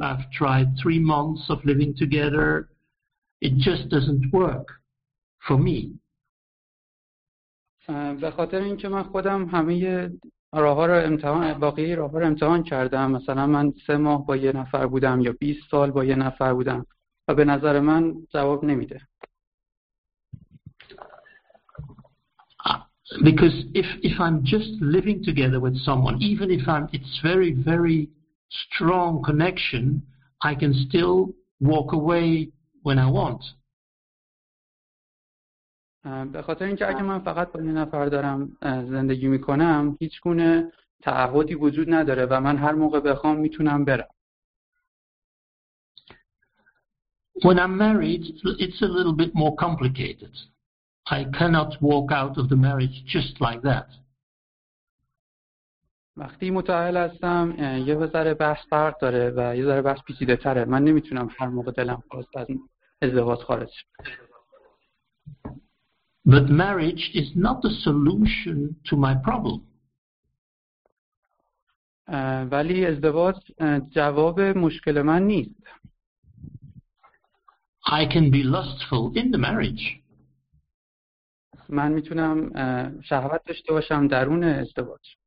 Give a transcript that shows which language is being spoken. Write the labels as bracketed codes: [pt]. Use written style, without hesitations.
[en] I've tried 3 months of living together. It just doesn't work for me. [fa] به خاطر اینکه من خودم همه راه ها رو امتحان باقی راه ها رو امتحان کردم. مثلا من 3 ماه با یه نفر بودم یا 20 سال با یه نفر بودم و به نظر من جواب نمیده. [en] Because if I'm just living together with someone, even if I'm it's very, very strong connection, I can still walk away when I want. [fa] به خاطر اینکه اگه من فقط با یه نفر دارم زندگی میکنم، هیچ گونه تعهدی وجود نداره و من هر موقع بخوام میتونم برم. [en] When I'm married, it's a little bit more complicated. I cannot walk out of the marriage just like that. [fa] وقتی متعهل هستم یه ذره بحث فرق داره و یه ذره بحث پیچیده تره. من نمیتونم هر موقع دلم خواست از ازدواج خارج شم. [en] But marriage is not the solution to my problem. [fa] ولی ازدواج جواب مشکل من نیست. [en] I can be lustful in the marriage. [fa] من میتونم شهوت داشته باشم درون ازدواج.